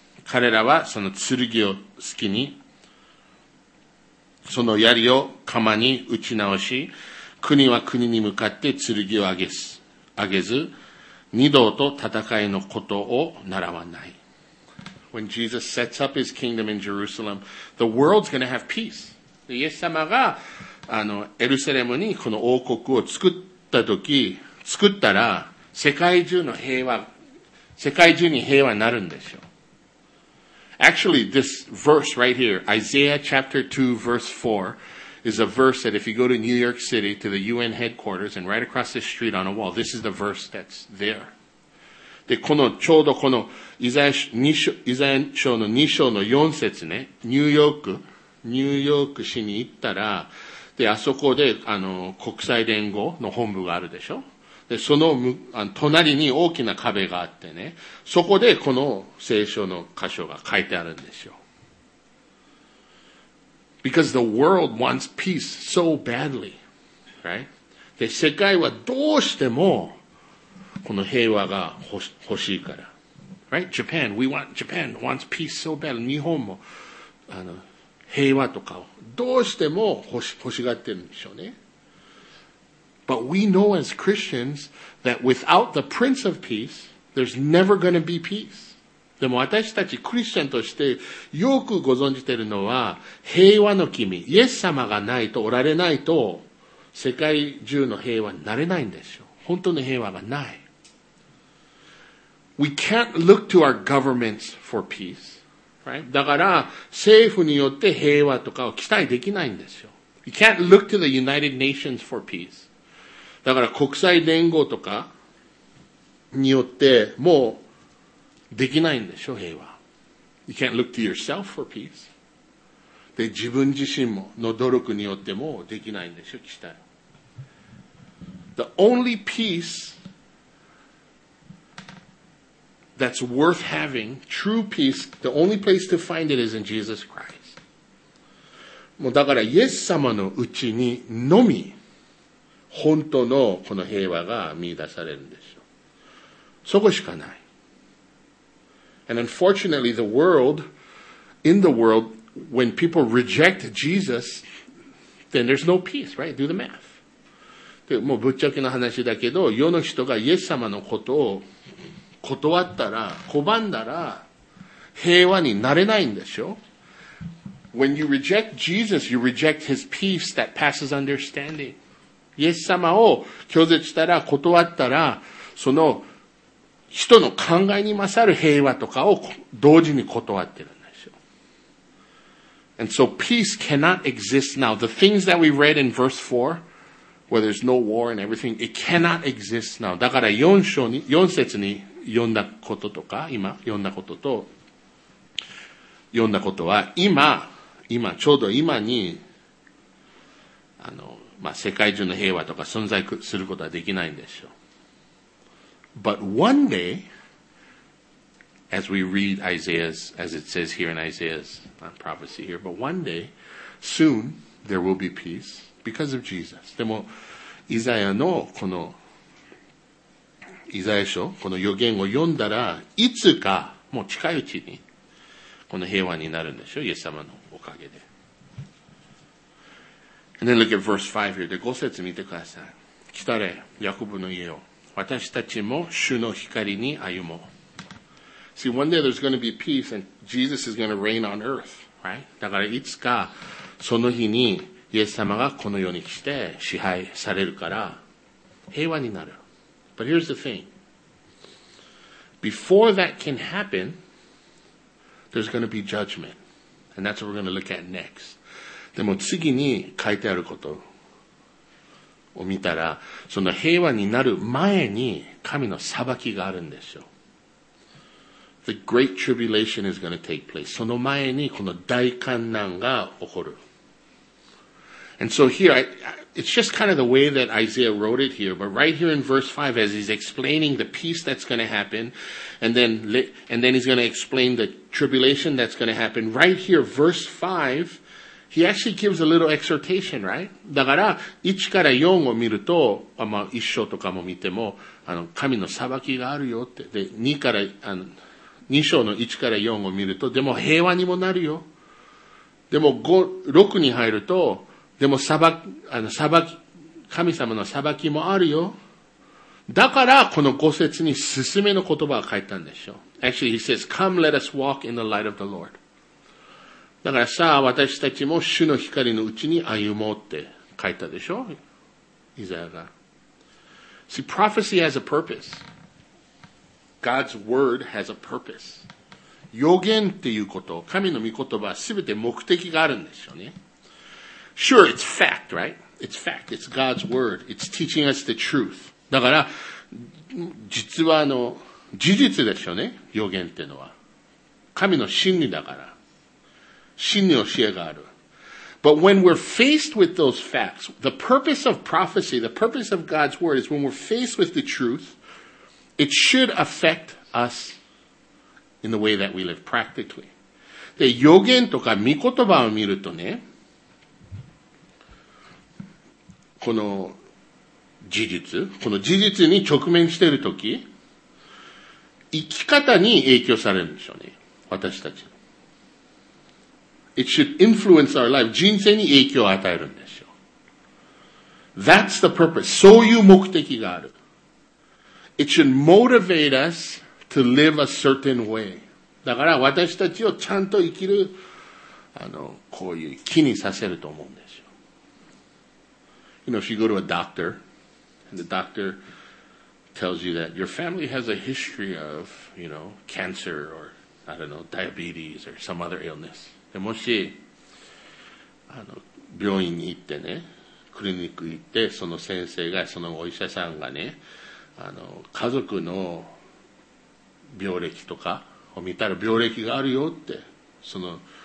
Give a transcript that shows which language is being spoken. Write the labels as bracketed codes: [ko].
[ja] 彼らはその剣を好きに、その槍を鎌に打ち直し、国は国に向かって剣を上げず、二度と戦いのことを習わない。 [en] When Jesus sets up his kingdom in Jerusalem, the world's gonna have peace. [ja] イエス様が、あの、エルサレムにこの王国を作ったとき、作ったら世界中に平和になるんでしょう。 [en] Actually, this verse right here, Isaiah chapter 2 verse 4, is a verse that if you go to New York City to the UN headquarters and right across the street on a wall, this is the verse that's there. [ja] で、このちょうどこのイザヤ書の2章の4節ね、ニューヨーク市に行ったら、で、あそこで、あの、国際連合の本部があるでしょ。で、その、隣に大きな壁があってね、そこでこの聖書の箇所が書いてあるんですよ。 [en] Because the world wants peace so badly, right? [ja] で、世界はどうしてもこの平和が欲しいから。 [en] Right? Japan, Japan wants peace so badly. [ja] 日本も、あの、平和とかをどうしても欲しがってるんでしょうね。 [en] But we know as Christians that without the Prince of Peace, there's never going to be peace. [ja] でも私たちクリスチャンとしてよくご存じているのは平和の君、イエス様がないとおられないと世界中の平和になれないんですよ。本当の平和がない。 [en] We can't look to our governments for peace, right? [ja] だから政府によって平和とかを期待できないんですよ。 [en] You can't look to the United Nations for peace. [ja] だから国際連合とかによってもうできないんでしょ、平和。 [en] You can't look to yourself for peace. [ja] で自分自身もの努力によってもできないんでしょ、期待。 [en] The only peace that's worth having, true peace, the only place to find it is in Jesus Christ. [ja] もうだからイエス様のうちにのみ本当のこの平和が見出されるんでしょ。そこしかない。 [en] And unfortunately the world, in the worldWhen people reject Jesus, then there's no peace, right? Do the math. [ja] で、もうぶっちゃけの話だけど、世の人がイエス様のことを断ったら、拒んだら、平和になれないんでしょ? [en] When you reject Jesus, you reject his peace that passes understanding. [ja] イエス様を拒絶したら、断ったら、その人の考えに勝る平和とかを同時に断ってる。 [en] And so peace cannot exist now. The things that we read in verse 4, where there's no war and everything, it cannot exist now. [ja] だから4節に読んだこととか、読んだことは、今ちょうど今に、世界中の平和とか存在することはできないんでしょう。 [en] But one day,As we read Isaiah's, as it says here in Isaiah's prophecy here, but one day, soon, there will be peace because of Jesus. [ja] でも、イザヤ書、この予言を読んだら、いつか、もう近いうちに、この平和になるんでしょ、イエス様のおかげで。 [en] And then look at verse 5 here. [ja] で、5節見てください。来たれ、ヤコブの家を。私たちも主の光に歩もう。 [en] See, one day there's going to be peace and Jesus is going to reign on earth, right? [ja] だからいつかその日にイエス様がこの世に来て支配されるから平和になる。 [en] But here's the thing. Before that can happen, there's going to be judgment. And that's what we're going to look at next. [ja] でも次に書いてあることを見たら、その平和になる前に神の裁きがあるんですよ。 [en] The great tribulation is going to take place. [ja] その前にこの大患難が起こる。 [en] And so here, it's just kind of the way that Isaiah wrote it here, but right here in verse 5, as he's explaining the peace that's going to happen, and then he's going to explain the tribulation that's going to happen, right here, verse 5, he actually gives a little exhortation, right? [ja] だから、1から4を見ると、一章とかも見ても、神の裁きがあるよって、で、2から、2章の1から4を見ると、でも平和にもなるよ。でも6に入ると、でも神様の裁きもあるよ。だから、この5節に進めの言葉を書いたんでしょう。 [en] Actually, he says, come let us walk in the light of the Lord. [ja] だからさあ、私たちも主の光のうちに歩もうって書いたでしょ、イザヤが。 [en] See, prophecy has a purpose. God's word has a purpose. [ja] 予言っていうこと、神の御言葉はすべて目的があるんですよね。 [en] Sure, it's fact, right? It's fact. It's God's word. It's teaching us the truth. [ja] だから、実は事実ですよね。予言っていうのは。神の真理だから。真理の教えがある。 [en] But when we're faced with those facts, the purpose of prophecy, the purpose of God's word is when we're faced with the truth,It should affect us in the way that we live practically. [ja] で、予言とか御言葉を見るとね、この事実に直面しているとき、生き方に影響されるんでしょうね。私たち。 [en] It should influence our life. [ja] 人生に影響を与えるんでしょう。 [en] That's the purpose. [ja] そういう目的がある。 [en] It should motivate us to live a certain way. [ja] だから私たちをちゃんと生きる、こういう気にさせると思うんですよ。 [en] You know, if you go to a doctor, and the doctor tells you that your family has a history of, cancer or, diabetes or some other illness. [ja] でもし、病院に行ってね、クリニックに行って、その先生が、そのお医者さんがね、家族の病歴とかを見たら病歴があるよって、その、